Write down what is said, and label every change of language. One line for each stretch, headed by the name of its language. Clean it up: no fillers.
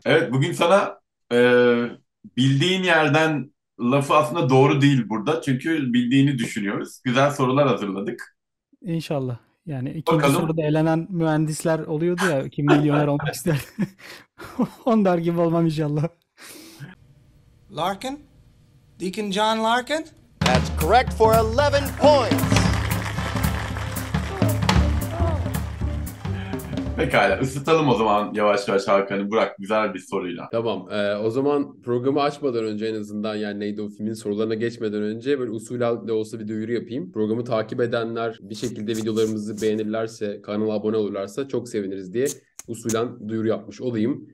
Turkish: Evet, bugün sana bildiğin yerden lafı aslında doğru değil burada. Çünkü bildiğini düşünüyoruz. Güzel sorular hazırladık. İnşallah. Yani ikinci Bakalım. soruda elenen mühendisler oluyordu ya, kim milyoner olmak ister? Onlar gibi olmam inşallah.
English: Larkin? Deacon John Larkin? That's correct for 11 points.
Turkish: Pekala, ısıtalım o zaman yavaş yavaş Hakan'ı. Burak, güzel bir soruyla. Tamam. O zaman programı açmadan önce en azından yani neydi o filmin sorularına geçmeden önce böyle usulü de olsa bir duyuru yapayım. Programı takip edenler bir şekilde videolarımızı beğenirlerse, kanala abone olurlarsa çok seviniriz diye usulen duyuru yapmış olayım.